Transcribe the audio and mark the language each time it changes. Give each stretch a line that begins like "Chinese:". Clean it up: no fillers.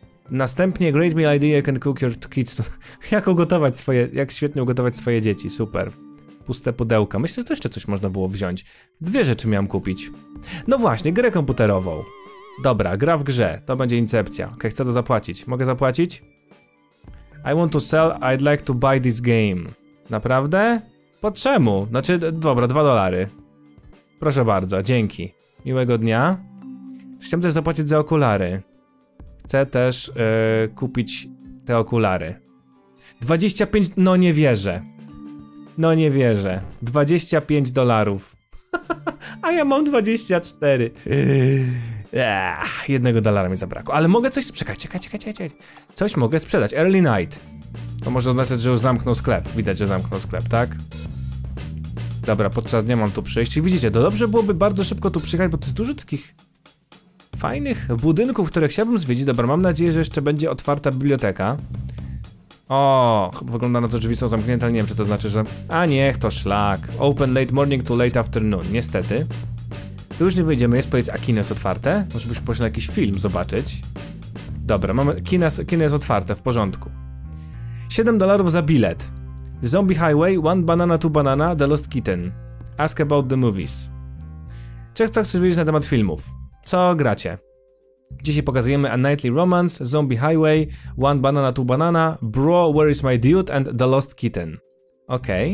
Polish: Następnie,
English: great meal idea, you can cook your kids.
Polish: Jak świetnie ugotować swoje dzieci, super. Puste pudełka, myślę, że to jeszcze coś można było wziąć. Dwie rzeczy miałem kupić. No właśnie, grę komputerową. Dobra, gra w grze, to będzie incepcja. Okej, okay, chcę to zapłacić, mogę zapłacić?
English: I want to sell, I'd like to buy this game.
Polish: Naprawdę? Po czemu? Znaczy, dobra, $2. Proszę bardzo, dzięki. Miłego dnia. Chciałem też zapłacić za okulary. Chcę też kupić te okulary. 25, no nie wierzę. No nie wierzę. $25. A ja mam 24. $1 mi zabrakło. Ale mogę coś sprzedać. Czekaj. Coś mogę sprzedać.
English: Early night.
Polish: To może oznaczać, że już zamknął sklep. Widać, że zamknął sklep, tak? Dobra, podczas dnia mam tu przyjść. I widzicie, to dobrze byłoby bardzo szybko tu przyjechać, bo to jest dużo takich fajnych budynków, które chciałbym zwiedzić. Dobra, mam nadzieję, że jeszcze będzie otwarta biblioteka. O, wygląda na to, że drzwi są zamknięte, ale nie wiem, czy to znaczy, że... A niech to szlak.
English: Open late morning to late afternoon,
Polish: niestety. Tu już nie wyjdziemy, jest powiedz, a kino jest otwarte? Może byś poszedł na jakiś film zobaczyć. Dobra, mamy... Kino jest otwarte, w porządku. $7 za bilet.
English: Zombie Highway, One Banana, Two Banana, The Lost Kitten. Ask about the movies.
Polish: Co chcesz wiedzieć na temat filmów? Co gracie? Dzisiaj pokazujemy A Nightly Romance, Zombie Highway, One Banana, Two Banana, Bro, Where is My Dude, and The Lost Kitten. Okej.